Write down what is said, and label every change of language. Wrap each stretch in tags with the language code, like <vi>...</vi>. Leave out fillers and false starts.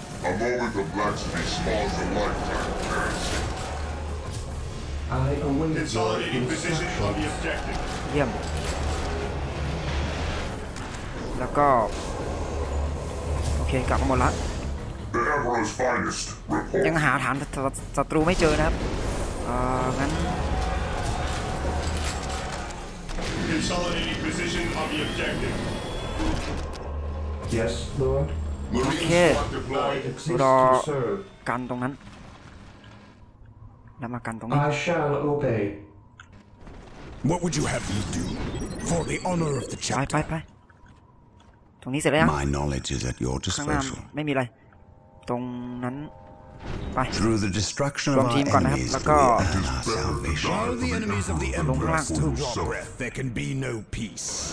<en>A moment of blasphemy spawns a lifetime of currency. It's already in position on the objective.</en> <th>เยี่ยม แล้วก็ โอเคกลับมาหมดละ</th> <en>The Emperor's finest report.</en> <th>ยังหาฐานศัตรูไม่เจอนะครับ งั้น</th> <en>It's already in position on the objective. Yes, Lord.</en> <th>โอเครอกันตรงนั้นแล้วมากันตรงนี้</th> <en>I shall obey What would you have me do for the honor of the chapter</en> <th>ไปไปตรงนี้เสร็จแล้ว</th> <en>My knowledge is at your disposal</en> <th>ข้างหน้าไม่มีอะไรตรงนั้นไป</th> <en>Through the destruction of our enemies</en> <th>แล้ วก็</th> <en>Shall the enemies of the emperor fall to your breath There can be no peace</en>